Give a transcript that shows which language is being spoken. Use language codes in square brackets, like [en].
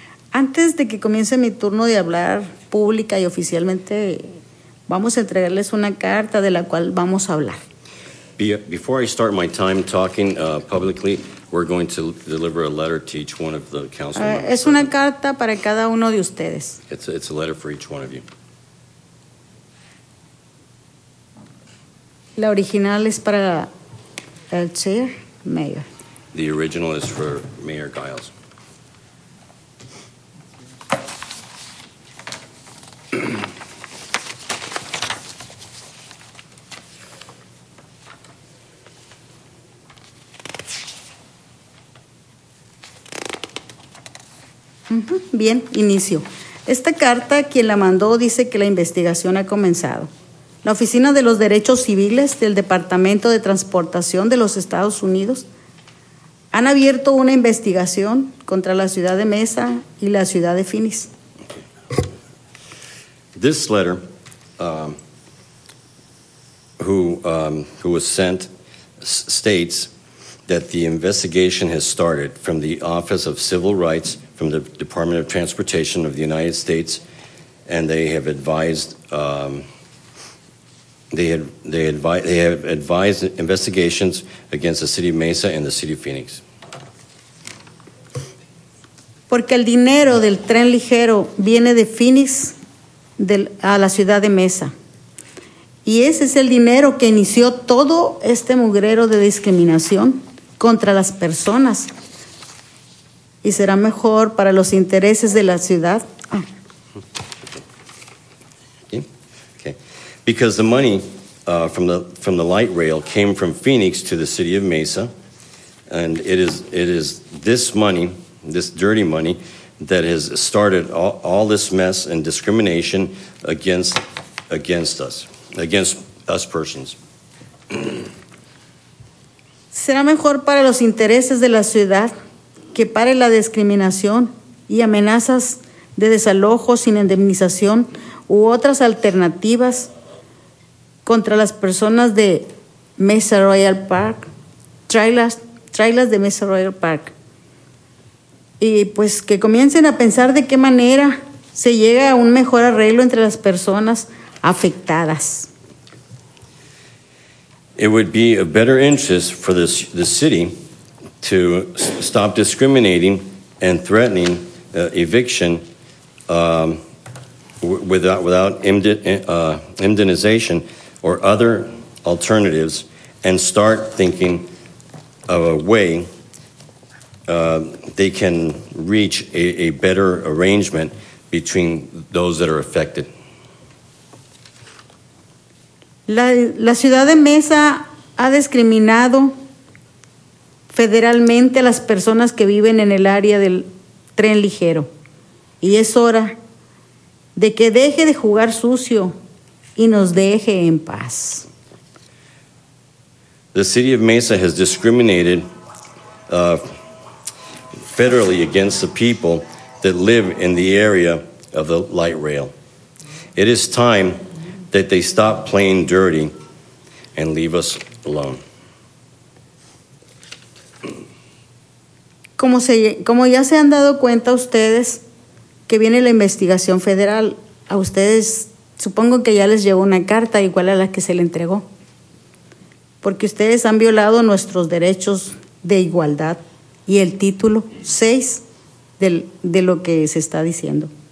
[es] Antes de que comience mi turno de hablar pública y oficialmente, vamos a entregarles una carta de la cual vamos a hablar. [en] Before I start my time talking publicly, we're going to deliver a letter to each one of the council members. [es] Es una carta para cada uno de ustedes. [en] It's a letter for each one of you. [es] La original es para el chair, mayor. [en] The original is for Mayor Giles. [es] Bien, inicio. Esta carta, quien la mandó, dice que la investigación ha comenzado. La Oficina de los Derechos Civiles del Departamento de Transportación de los Estados Unidos han abierto una investigación contra la ciudad de Mesa y la ciudad de Phoenix. [en] This letter, who was sent, states that the investigation has started from the Office of Civil Rights from the Department of Transportation of the United States, and they have advised... They have advised investigations against the city of Mesa and the city of Phoenix. [es] Porque el dinero del tren ligero viene de Phoenix a la ciudad de Mesa. Y ese es el dinero que inició todo este mugrero de discriminación contra las personas. Y será mejor para los intereses de la ciudad. [en] Because the money from the light rail came from Phoenix to the city of Mesa, and it is this money, this dirty money, that has started all this mess and discrimination against us persons. [es] Será mejor para los intereses de la ciudad que pare la discriminación y amenazas de desalojo sin indemnización u otras alternativas contra las personas de Mesa Royal Park, trailers de Mesa Royal Park. Y pues que comiencen a pensar de qué manera se llega a un mejor arreglo entre las personas afectadas. [en] It would be a better interest for the city to stop discriminating and threatening eviction without indemnization or other alternatives, and start thinking of a way they can reach a better arrangement between those that are affected. [es] La ciudad de Mesa ha discriminado federalmente a las personas que viven en el área del tren ligero. Y es hora de que deje de jugar sucio y nos deje en paz. [en] The city of Mesa has discriminated federally against the people that live in the area of the light rail. It is time that they stop playing dirty and leave us alone. [es] Como ya se han dado cuenta ustedes que viene la investigación federal, a ustedes supongo que ya les llegó una carta igual a la que se le entregó, porque ustedes han violado nuestros derechos de igualdad y el título 6 de lo que se está diciendo.